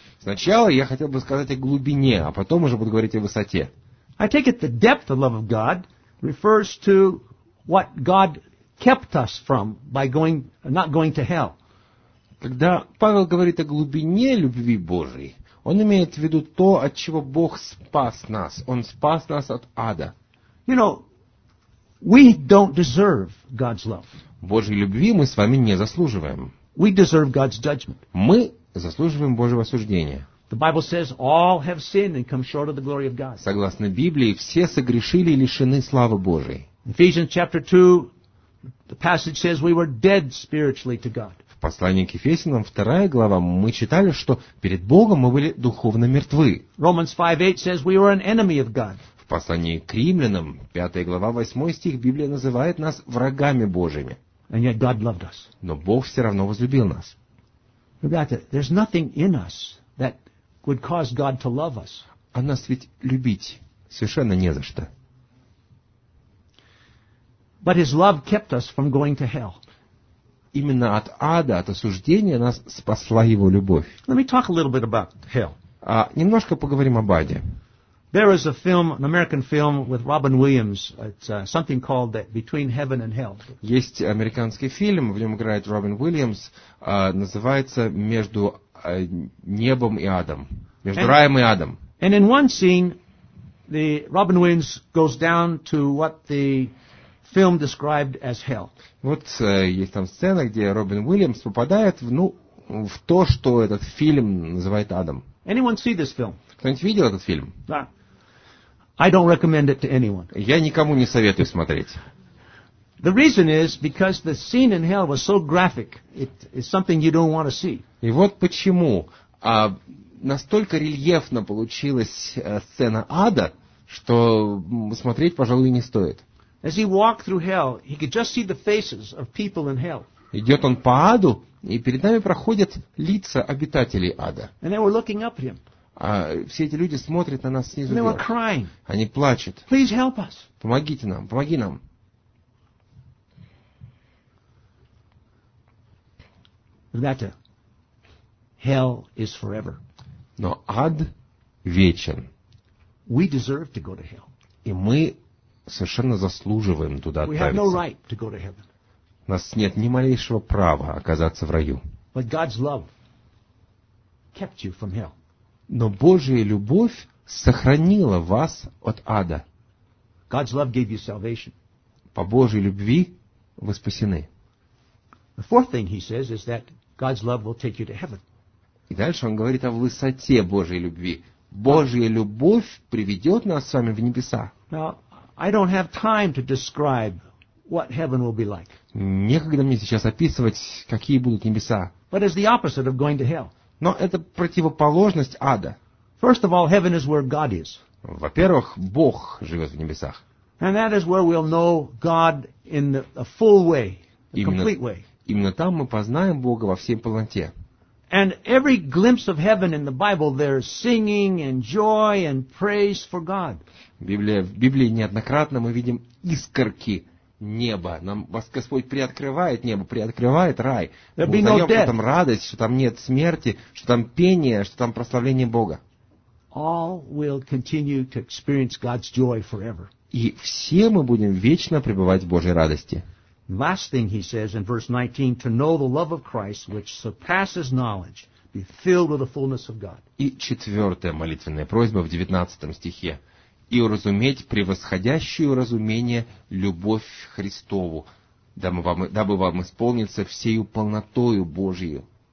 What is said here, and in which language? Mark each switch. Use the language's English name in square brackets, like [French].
[Russian] Сначала я хотел бы сказать о глубине, а потом уже буду говорить о высоте. [English] I take it the depth of love of God refers to what God kept us from by going, not going to hell. [Russian] Когда Павел говорит о глубине любви Божией, он имеет в виду то, от чего Бог спас нас. Он спас нас от ада. [English] You know, we don't deserve God's love. [Russian] Божьей любви мы с вами не заслуживаем. [English] We deserve God's judgment. [Russian] Мы заслуживаем Божьего осуждения. [English] The Bible says all have sinned and come short of the glory of God. [Russian] Согласно Библии, все согрешили и лишены славы Божией. [English] Ephesians chapter 2, the passage says we were dead spiritually to God. [Russian] В послании к Ефесянам, 2 глава, мы читали, что перед Богом мы были духовно мертвы. [English] Romans 5:8 says we were an enemy of God. [Russian] В послании к Римлянам, 5 глава, 8 стих, Библия называет нас врагами Божьими. [English] And yet God loved us. [Russian] Но Бог все равно возлюбил нас. Ребята, [English] there's nothing in us that would cause God to love us. [Russian] А нас ведь любить совершенно не за что. [English] But his love kept us from going to hell. [Russian] Именно от ада, от осуждения нас спасла его любовь. [English] Let me talk a little bit about hell. [Russian] Немножко поговорим об аде. [English] There is a film, an American film with Robin Williams. It's something called that, Between Heaven and Hell. [Russian] Есть американский фильм, в нем играет Робин Уильямс, называется Между небом и адом, между раем и адом. [English] And in one scene, the Robin Williams goes down to what the film described as hell. [Russian] Вот есть там сцена, где Робин Уильямс попадает в то, что этот фильм называет адом. [English] Anyone see this film? [Russian] Кто-нибудь видел этот фильм? Да. [English] I don't recommend it to anyone. [Russian] Я никому не советую смотреть. [English] The reason is because the scene in hell was so graphic. It is something you don't want to see. [Russian] И вот почему настолько рельефно получилась сцена ада, что смотреть, пожалуй, не стоит. [English] As he walked through hell, he could just see the faces of people in hell. [Russian] Идет он по аду, и перед нами проходят лица обитателей ада. [English] And they were looking up at him. [Russian] А все эти люди смотрят на нас снизу. [English] And they were crying. [Russian] Они плачут. [English] Please help us. [Russian] Помогите нам, помоги нам. Ребята, [English] hell is forever. [Russian] Но ад вечен. [English] We deserve to go to hell. [Russian] И мы совершенно заслуживаем туда отправиться. [English] We have no right to go to heaven. [Russian] У нас нет ни малейшего права оказаться в раю. [English] But God's love kept you from hell. [Russian] Но Божья любовь сохранила вас от ада. [English] God's love gave you salvation. [Russian] По Божьей любви вы спасены. [English] The fourth thing he says is that God's love will take you to heaven. [Russian] И дальше он говорит о высоте Божьей любви. Божья любовь приведет нас с вами в небеса. [English] Now, I don't have time to describe what heaven will be like. [Russian] Некогда мне сейчас описывать, какие будут небеса. [English] But it's the opposite of going to hell. [Russian] Но это противоположность ада. [English] First of all, heaven is where God is. [Russian] Во-первых, Бог живет в небесах. [English] And that is where we'll know God in the full way, the complete way. [Russian] Именно там мы познаем Бога во всей полноте. [English] And every glimpse of heaven in the Bible, there's singing and joy and praise for God. [Russian] В Библии неоднократно мы видим искорки неба. Нам Господь приоткрывает небо, приоткрывает рай. [English] There'll be no death. [Russian] Что там радость, что там нет смерти, что там пение, что там прославление Бога. [English] All will continue to experience God's joy forever. [Russian] И все мы будем вечно пребывать в Божьей радости. [English] Last thing he says in verse 19, to know the love of Christ, which surpasses knowledge, be filled with the fullness of God. [Russian] И четвертая молитвенная просьба в 19 стихе. И уразуметь превосходящую разумение любовь Христову, дабы вам исполниться всею полнотою Божию.